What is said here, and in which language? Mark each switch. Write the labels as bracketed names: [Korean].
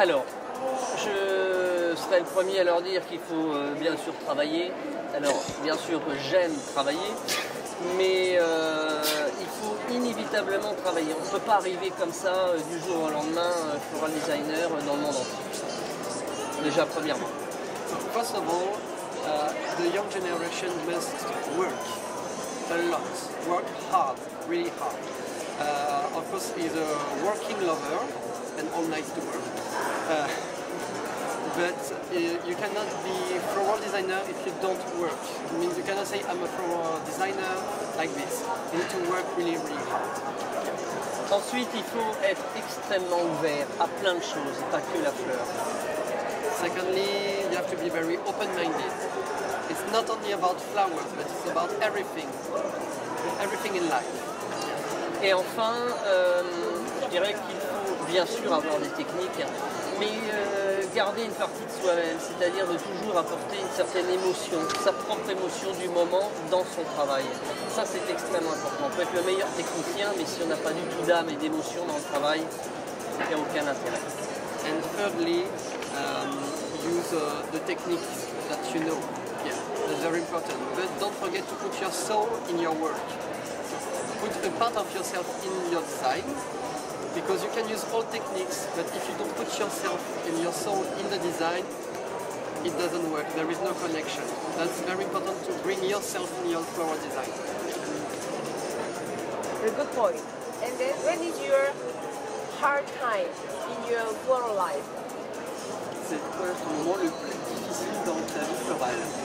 [French] Alors, je serai le premier à leur dire qu'il faut bien sûr travailler. Alors, bien sûr que j'aime travailler, mais il faut inévitablement travailler. On ne peut pas arriver comme ça du jour au lendemain floral designer dans le monde entier. Déjà, premièrement. [English] First of all, the young generation must work a lot. Work hard, really hard. Of course, he's a working lover and all night to work. But you cannot be a floral designer if you don't work. It means you cannot say, I'm a floral designer like this. You need to work really, really hard. [French] Ensuite, il faut être extrêmement ouvert à plein de choses, pas que la fleur. [English] Secondly, you have to be very open-minded. It's not only about flowers, but it's about everything. Everything in life. [French] Et enfin, je dirais qu'il faut bien sûr avoir des techniques, mais garder une partie de soi-même, c'est-à-dire de toujours apporter une certaine émotion, sa propre émotion du moment dans son travail. Ça, c'est extrêmement important. On peut être le meilleur technicien, mais si on n'a pas du tout d'âme et d'émotion dans le travail, il n'y a aucun intérêt. [English] And thirdly, use the techniques that you know. Yeah, that's very important. But don't forget to put your soul in your work. Put a part of yourself in your design, because you can use all techniques, but if you don't put yourself and your soul in the design, it doesn't work. There is no connection. That's very important to bring yourself in your flower design. A good point. And then, when is your hard time in your floral life? [French] C'est quoi le moment le plus difficile dans ta vie florale?